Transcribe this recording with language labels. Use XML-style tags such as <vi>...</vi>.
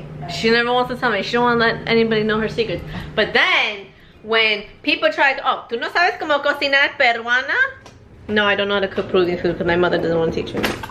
<en>She never wants to tell me. She don't want to let anybody know her secrets. But then, when people tried, oh,</en> <es>¿tú no sabes cómo cocinar peruana?</es> <en>No, I don't know how to cook Peruvian food because my mother doesn't want to teach me.</en>